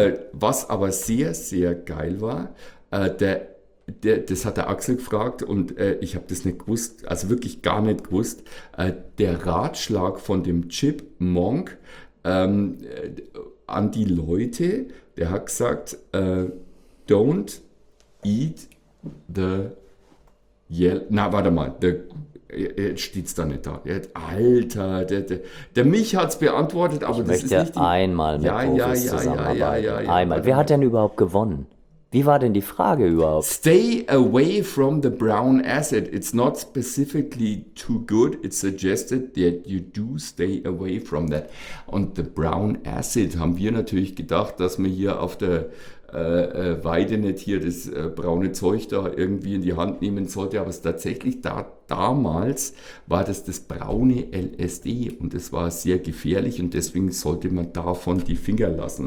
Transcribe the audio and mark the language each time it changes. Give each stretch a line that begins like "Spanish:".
German: Was aber sehr, sehr geil war, das hat der Axel gefragt und ich habe das nicht gewusst, also wirklich gar nicht gewusst, der Ratschlag von dem Chipmunk an die Leute, der hat gesagt,
English: don't eat the yellow,
German: na warte mal, jetzt steht es da nicht da. Alter, der Mich hat es beantwortet, aber ich das ist nicht die... Ich einmal mit Profis zusammenarbeiten. Einmal. Wer hat denn überhaupt gewonnen? Wie war denn die Frage überhaupt?
English: Stay away from the brown acid. It's not specifically too good. It's suggested that you do stay away from that.
German: Und
English: the brown acid
German: haben wir natürlich gedacht, dass wir hier auf der Weide nicht hier das braune Zeug da irgendwie in die Hand nehmen sollte, aber es tatsächlich damals war das braune LSD und es war sehr gefährlich und deswegen sollte man davon die Finger lassen.